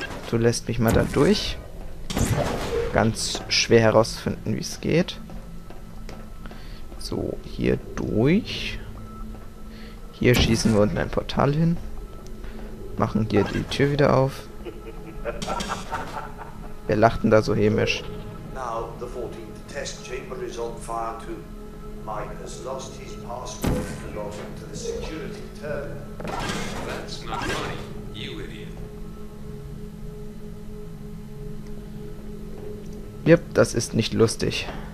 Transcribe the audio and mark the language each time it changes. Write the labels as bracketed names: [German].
[German] Du lässt mich mal da durch. Ganz schwer herausfinden, wie es geht. So, hier durch. Hier schießen wir unten ein Portal hin. Machen hier die Tür wieder auf. Wir lachten da so hämisch. [English] Now the 14th test chamber is on fire too. Mike has lost his password to log into the security terminal. That's not funny, you idiot. [German] Yep, das ist nicht lustig.